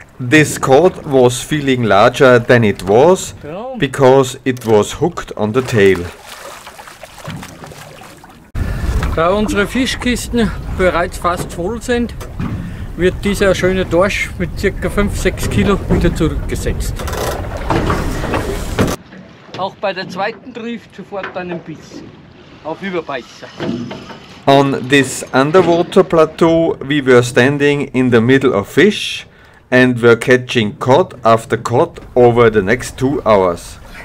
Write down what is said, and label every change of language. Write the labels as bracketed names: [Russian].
[English] This cod was feeling larger than it was, because it was hooked on the tail. [German] Da unsere Fischkisten bereits fast voll sind, wird dieser schöne Dorsch mit ca. 5-6 Kilo wieder zurückgesetzt. Auch bei der zweiten Drift sofort einen Biss auf Überbeißer. [English] On this underwater plateau we were standing in the middle of fish and were catching cod after cod over the next 2 hours.